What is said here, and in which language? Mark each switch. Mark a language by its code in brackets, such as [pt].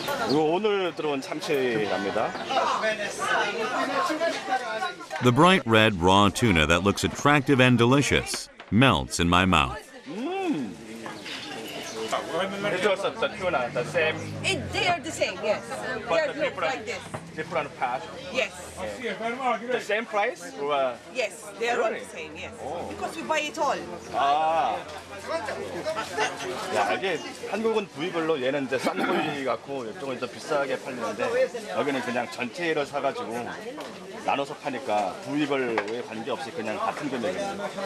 [ko] 이거 오늘 들어온 참치랍니다. [en] The bright red raw tuna that looks attractive and delicious melts in my mouth. The tuna, the same. They are the same, yes. But they are different, like this. Different patch. Yes. Yeah. The same price? Or? Yes, they are really? All the same, yes. Oh. Because we buy it all. Ah. [ko] 야, 이게 한국은 부위별로 얘는 이제 싼 부위 갖고 이쪽은 더 비싸게 팔리는데 여기는 그냥 전체를 사가지고 나눠서 파니까 부위별에 관계없이 그냥 같은 금액입니다.